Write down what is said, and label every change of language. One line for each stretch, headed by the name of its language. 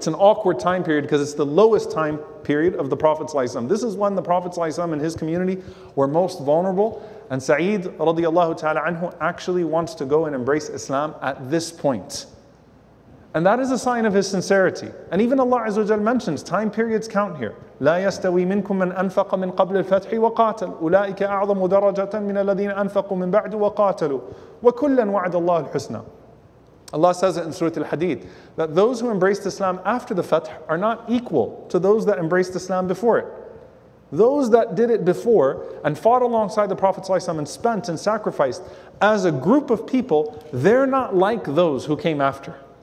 English: It's an awkward time period because it's the lowest time period of the Prophet ﷺ. This is when the Prophet ﷺ and his community were most vulnerable. And Saeed radiallahu ta'ala anhu actually wants to go and embrace Islam at this point. And that is a sign of his sincerity. And even Allah Azza wa Jal mentions, time periods count here.
Arabic: لا يستوي منكم من أنفق من قبل الفتح وقاتل أولئك أعظم درجة من الذين أنفقوا من بعد وقاتلوا وكلا وعد الله الحسنى.
English: Allah says it in Surah Al-Hadid, that those who embraced Islam after the Fath are not equal to those that embraced Islam before it. Those that did it before and fought alongside the Prophet ﷺ and spent and sacrificed as a group of people, they're not like those who came after.